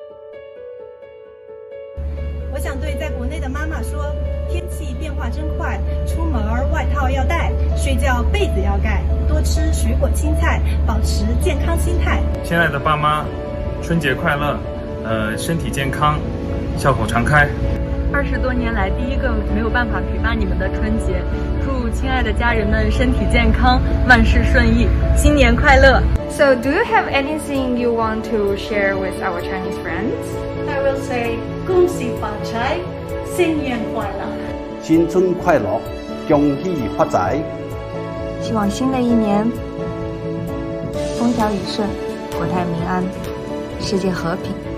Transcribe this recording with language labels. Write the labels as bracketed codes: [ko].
[en] I want to say to my mom, the weather is changing, go out, wear a coat, sleep, cover your blanket, eat fruits and vegetables, maintain a healthy attitude. [zh] 亲爱的爸妈，春节快乐，身体健康，笑口常开。 20多年来第一个没有办法陪伴你们的春节，祝亲爱的家人们身体健康，万事顺意，新年快乐。 [en] So do you have anything you want to share with our Chinese friends? I will say [zh] 恭喜发财，新年快乐。新春快乐，恭喜发财。希望新的一年风调雨顺。国泰民安，世界和平。